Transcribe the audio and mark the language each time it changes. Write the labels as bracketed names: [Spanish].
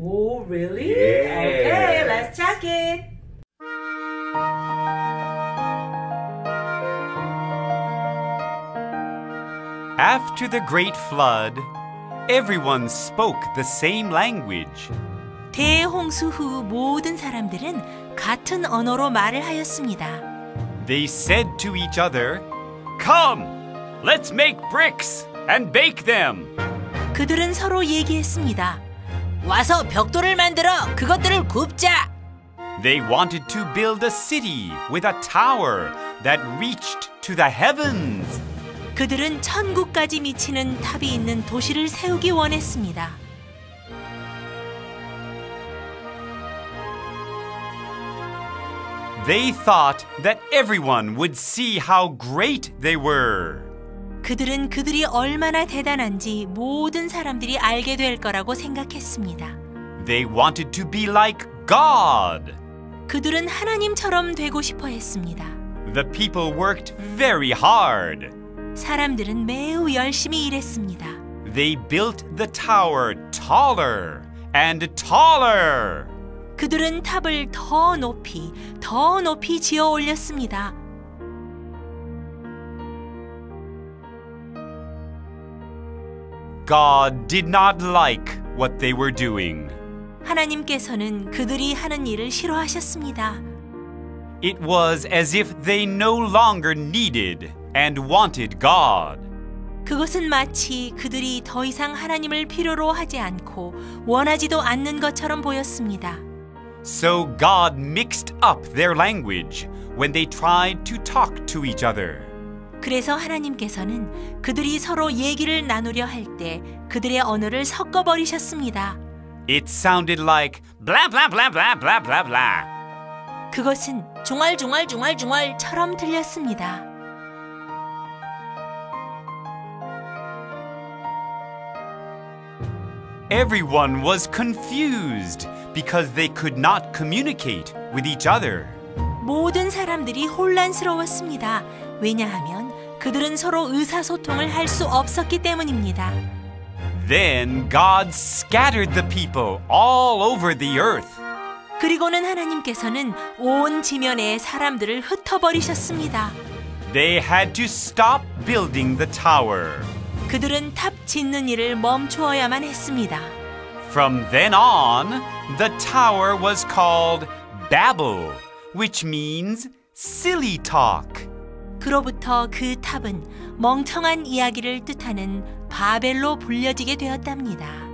[English] Oh, really? Yes. Okay, let's check it. After the great flood, everyone spoke the same language. [Korean] 대홍수 후 모든 사람들은 같은 언어로 말을 하였습니다. [English] They said to each other, "Come, let's make bricks and bake them." [Korean] 그들은 서로 얘기했습니다. 와서 벽돌을 만들어 그것들을 굽자. [English] They wanted to build a city with a tower that reached to the heavens. [Korean] 그들은 천국까지 미치는 탑이 있는 도시를 세우기 원했습니다. [English] They thought that everyone would see how great they were. [Korean] 그들은 그들이 얼마나 대단한지 모든 사람들이 알게 될 거라고 생각했습니다. [English] They wanted to be like God. [Korean] 그들은 하나님처럼 되고 싶어 했습니다. [English] The people worked very hard. [Korean] 사람들은 매우 열심히 일했습니다. [English] They built the tower taller and taller. [Korean] 그들은 탑을 더 높이, 더 높이 지어 올렸습니다. [English] God did not like what they were doing. [Korean] 하나님께서는 그들이 하는 일을 싫어하셨습니다. [English] It was as if they no longer needed and wanted God. [Korean] 그것은 마치 그들이 더 이상 하나님을 필요로 하지 않고 원하지도 않는 것처럼 보였습니다. [English] So God mixed up their language when they tried to talk to each other. [Korean] 그래서 하나님께서는 그들이 서로 얘기를 나누려 할 때 그들의 언어를 섞어버리셨습니다. [English] It sounded like blah blah blah blah blah blah blah. [Korean] 그것은 중얼중얼중얼중얼처럼 들렸습니다. [English] Everyone was confused because they could not communicate with each other. [Korean] 모든 사람들이 혼란스러웠습니다. 왜냐하면 그들은 서로 의사소통을 할 수 없었기 때문입니다. [English] Then God scattered the people all over the earth. [Korean] 그리고는 하나님께서는 온 지면에 사람들을 흩어버리셨습니다. [English] They had to stop building the tower. [Korean] 그들은 탑 짓는 일을 멈추어야만 했습니다. [English] From then on, the tower was called Babel, which means silly talk. [Korean] 그로부터 그 탑은 멍청한 이야기를 뜻하는 바벨로 불려지게 되었답니다.